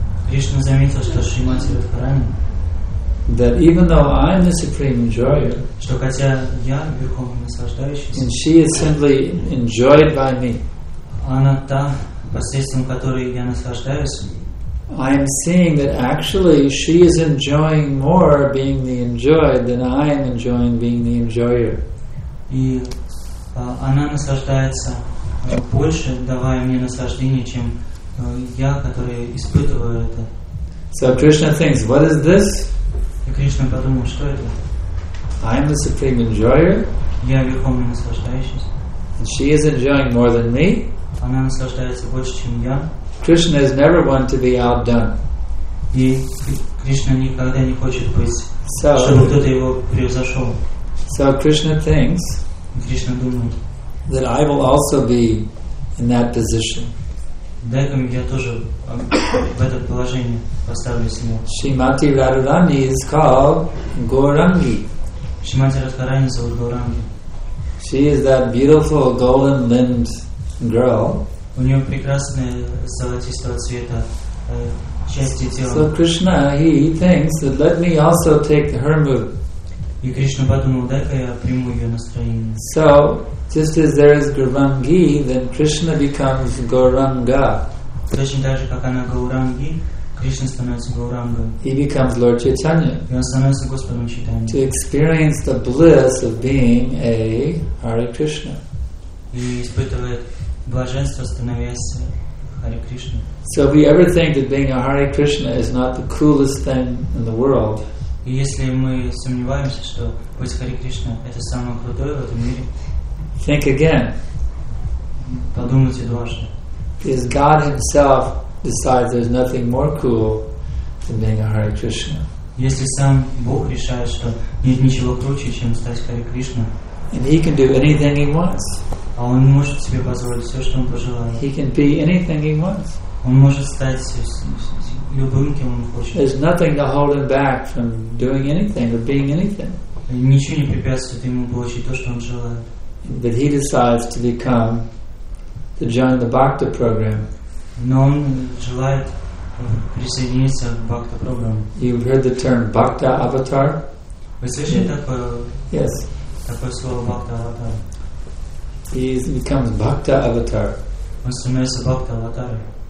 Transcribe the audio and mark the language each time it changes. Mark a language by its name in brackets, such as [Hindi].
[Russian] Кришна заметил, что Шримати Радхарани. [English] That even though I'm the supreme enjoyer, [Russian] что хотя я верховный наслаждающийся, [English] and she is simply enjoyed by me, [Russian] она та, посредством которой я наслаждаюсь. [English] I am seeing that actually she is enjoying more being the enjoyed than I am enjoying being the enjoyer. [Russian] И она наслаждается больше, давая мне наслаждение, чем я, который испытываю это. [English] So Krishna thinks, what is this? [Russian] И Кришна подумал, что это? [English] I am the supreme enjoyer. [Russian] Я верховный наслаждающийся. [English] And she is enjoying more than me. [Russian] Она наслаждается больше, чем я. [English] Krishna is never one to be outdone. [Russian] И Кришна никогда не хочет быть, чтобы кто-то его превзошел. [English] So Krishna thinks [Russian] Krishna думает, [English] that I will also be in that position. [Russian] Дай-ка я тоже в это положение поставлю себя. [English] Shrimati Radharani is called Gaurangi. [Russian] Shrimati Radharani зовут Gaurangi. [English] She is that beautiful golden-limbed girl. [Russian] У нее прекрасное золотистого цвета части тела. [English] So Krishna, he thinks that let me also take her move. [Russian] И Кришна подумал, дай-ка я приму ее настроение. [English] So, just as there is Gaurangi, then Krishna becomes Gauranga. [Russian] Точно так же, как она Гауранги, Кришна становится Гаурангом. [English] He becomes Lord Chaitanya. [Russian] И он становится Господом Чайтанья. [English] To experience the bliss of being a Hare Krishna. [Russian] И испытывает блаженство, становясь Hare Krishna. [English] So if we ever think that being a Hare Krishna is not the coolest thing in the world, [Russian] и если мы сомневаемся, что быть Hare Krishna это самое крутое в этом мире, [English] think again. [Russian] Подумайте дважды. [English] Is God Himself decides there's nothing more cool than being a Hare Krishna. [Russian] Если сам Бог решает, что нет ничего круче, чем стать Hare Krishna. [English] And He can do anything He wants. [Russian] А Он может себе позволить все, что Он пожелает. [English] He can be anything He wants. [Russian] Он может стать любым, кем Он хочет. [English] There's nothing to hold Him back from doing anything or being anything. [Russian] Ничего не препятствует Ему получить то, что Он желает. [English] But He decides to become to join the Bhakta program. [Russian] Но он желает присоединиться к Бхакта программе. [English] You've heard the term Bhakta avatar? [Russian] Вы слышали такое? [English] Yes. [Russian] Такое слово Бхакта аватар. [English] He becomes Bhakta avatar. [Russian] Он становится Бхакта аватаром.